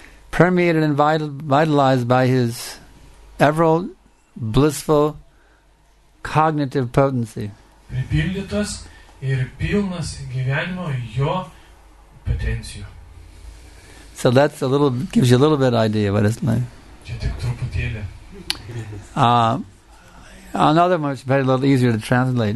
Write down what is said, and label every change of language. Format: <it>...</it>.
<en>Permeated and vitalized by his ever blissful cognitive potency.</en> <lt>Pripildytas ir pilnas gyvenimo jo potencijų.</lt> <en>So that's a little, gives you a little bit idea what it's like.</en> <lt>Čia tik truputėlė.</lt> <en>Another one, which is a little easier to translate.</en>